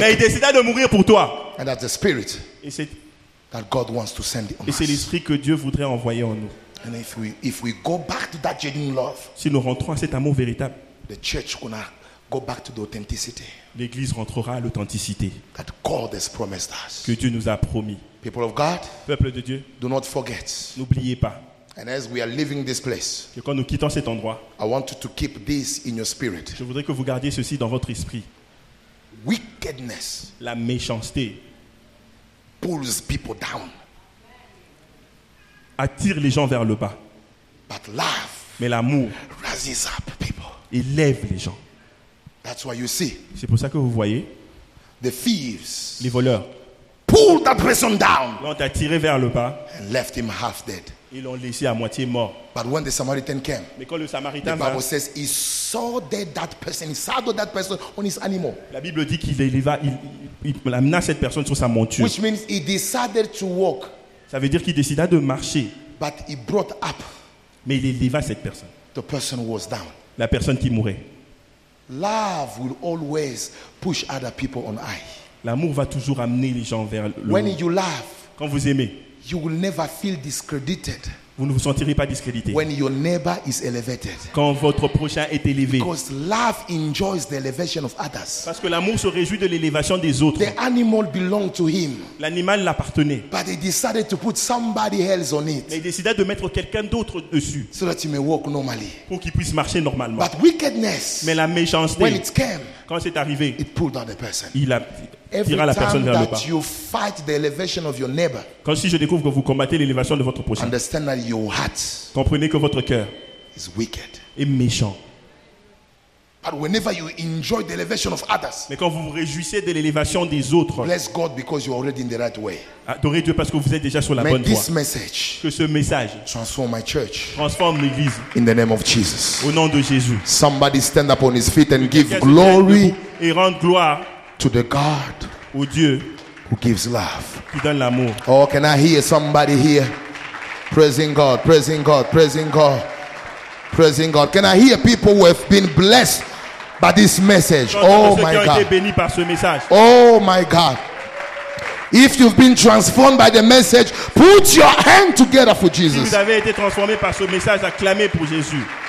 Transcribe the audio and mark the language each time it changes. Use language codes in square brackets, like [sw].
[fr] Mais il décida de mourir pour toi. [en] And that's the spirit. [fr] Et c'est, [en] that God wants to send [fr] et c'est l'esprit que Dieu voudrait envoyer en nous. [en] And if we go back to that genuine love, [fr] si nous rentrons à cet amour véritable, [en] the church gonna go back to the authenticity, [fr] l'église rentrera à l'authenticité [en] that God has promised us, [fr] que Dieu nous a promis. [en] People of God, [fr] peuple de Dieu, [en] do not forget, [fr] n'oubliez pas. [en] And as we are leaving this place, [fr] que quand nous quittons cet endroit, [en] I want to keep this in your spirit. [fr] Je voudrais que vous gardiez ceci dans votre esprit. [en] Wickedness, [fr] la méchanceté, [en] pulls people down, [fr] attire les gens vers le bas. [en] But love, [fr] mais l'amour, [en] raises up people, [fr] élève les gens. [en] That's why you see, [fr] c'est pour ça que vous voyez, [en] the thieves, [fr] les voleurs, [en] pull that person down, [fr] l'ont attiré vers le bas, [en] and left him half dead. [fr] Ils l'ont laissé à moitié mort. [en] But when the Samaritan came, [fr] mais quand le Samaritain [en] the Bible va, says he saw dead that person, he saddled that person on his animal. [fr] La Bible dit qu'il éleva, il amena cette personne sur sa monture. [en] Which means he decided to walk. [fr] Ça veut dire qu'il décida de marcher. [en] But he brought up. [fr] Mais il éleva cette personne. [en] The person was down. [fr] La personne qui mourait. [en] Love will always push other people on high. [fr] L'amour va toujours amener les gens vers le [en] when [fr] haut. [en] You love, [fr] quand vous aimez, [en] you will never feel discredited. [fr] Vous ne vous sentirez pas discrédité. [en] When your neighbor is elevated. [fr] Quand votre prochain est élevé. [en] Because love enjoys the elevation of others. [fr] Parce que l'amour se réjouit de l'élévation des autres. [en] The animal belonged to him. [fr] L'animal l'appartenait. [en] But he decided to put somebody else on it. [fr] Mais il décida de mettre quelqu'un d'autre dessus. [en] So that he may walk normally. [fr] Pour qu'il puisse marcher normalement. [en] But wickedness. [fr] Mais la méchanceté. [en] When it came. [fr] Quand c'est arrivé. [en] It pulled down the person. [fr] Il a tira la personne vers le bas. [en] You fight the elevation of your neighbor. [fr] Quand si je découvre que vous combattez l'élévation de votre prochain. [en] Understand that your heart. [fr] Comprenez que votre cœur [en] is wicked. [fr] Est méchant. [en] But whenever you enjoy the elevation of others. [fr] Mais quand vous vous réjouissez de l'élévation des autres. [en] Bless God because you are already in the right way. [fr] Adorez Dieu parce que vous êtes déjà sur la [en] may [fr] bonne [en] this [fr] voie. [en] Message [fr] que ce message [en] transform my church. [fr] Transforme l'église. [en] In the name of Jesus. [fr] Au nom de Jésus. [en] Somebody stand up on his feet and give glory. [fr] Et rende gloire. [en] To the God, [fr] au Dieu, [en] who gives love, [fr] qui donne l'amour. [en] Oh, can I hear somebody here? Praising God, praising God, praising God, praising God. Can I hear people who have been blessed by this message? Oh my God! [fr] Ont été bénis par ce message. [en] Oh my God! If you've been transformed by the message, put your hand together for Jesus. [fr] Si vous avez été transformé par ce message, acclamez pour Jésus.